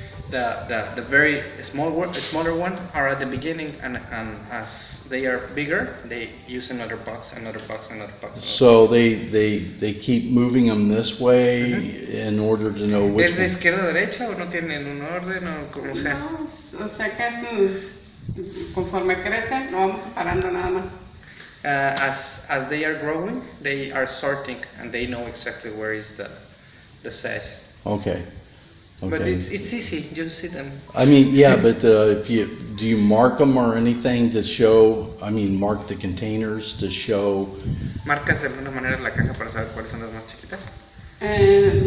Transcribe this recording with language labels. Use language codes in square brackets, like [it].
[en] The very smaller one are at the beginning, and as they are bigger, they use another box. So they keep moving them this way, mm-hmm. in order to know which. [es] ¿Es de izquierda a derecha o no tienen un orden o como sea? No, o sea que es conforme crecen, lo vamos separando nada más. [en] As they are growing, they are sorting, and they know exactly where is the size. Okay. Okay. But it's easy. You see them. I mean, yeah, but do you mark them or anything to show? I mean, mark the containers to show. [es] Marcas de alguna manera la caja para saber cuáles son las más chiquitas.